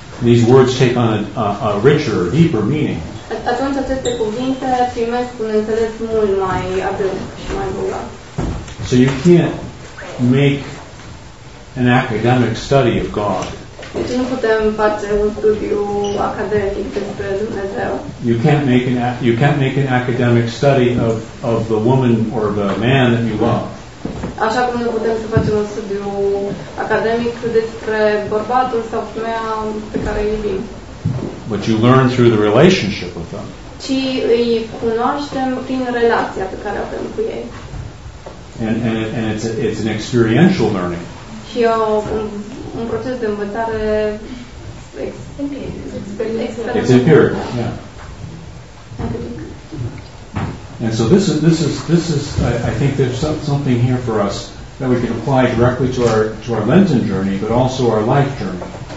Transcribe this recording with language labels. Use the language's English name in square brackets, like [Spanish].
[English] These words take on a richer, deeper meaning. [Romanian] Atunci aceste cuvinte primesc un înțeles mult mai adânc și mai bogat. [English] So you can't make an academic study of God. [Romanian] Deci nu putem face un studiu academic despre Dumnezeu. [English] You can't make an academic study of the woman or the man that you love. [Romanian] Așa cum nu putem să facem un studiu academic despre bărbatul sau femeia pe care îi iubim. [English] But you learn through the relationship with them. [Romanian] Ci îi cunoaștem prin relația pe care o avem cu ei. [English] And it's an experiential learning. [Romanian] Și e un proces de învățare experiențială. [English] It's empirical, yeah. And so this is I think there's something here for us that we can apply directly to our Lenten journey, but also our life journey.